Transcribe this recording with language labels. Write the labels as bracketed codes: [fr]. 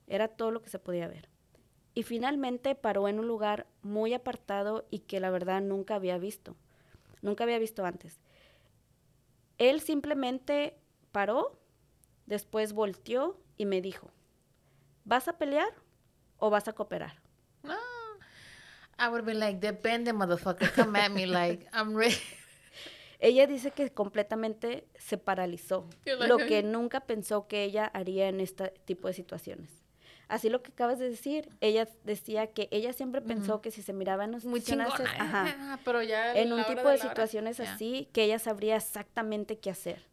[es] Era todo lo que se podía ver. Y finalmente paró en un lugar muy apartado y que la verdad nunca había visto. Nunca había visto antes. Él simplemente paró, después volteó y me dijo, ¿vas a pelear o vas a cooperar? [en] I would be like, depende, motherfucker, come at me, like, I'm ready. [es] Ella dice que completamente se paralizó, like, lo que nunca pensó que ella haría en este tipo de situaciones. Así lo que acabas de decir, ella decía que ella siempre pensó que si se miraba en muy chingona, pero ya en un tipo de situaciones hora, así, que ella sabría exactamente qué hacer.